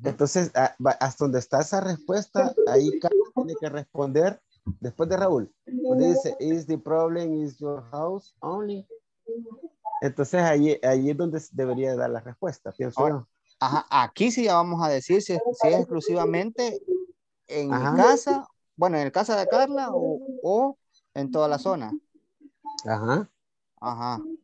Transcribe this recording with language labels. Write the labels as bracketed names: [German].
[Spanish] Entonces, hasta donde está esa respuesta, ahí Carla tiene que responder después de Raúl. [English] Donde dice, is the problem is your house only? [Spanish] Entonces ahí es donde debería dar la respuesta, pienso yo. Ajá, aquí sí ya vamos a decir si es exclusivamente en casa, bueno, en el casa de Carla o en toda la zona. Ajá. Ajá.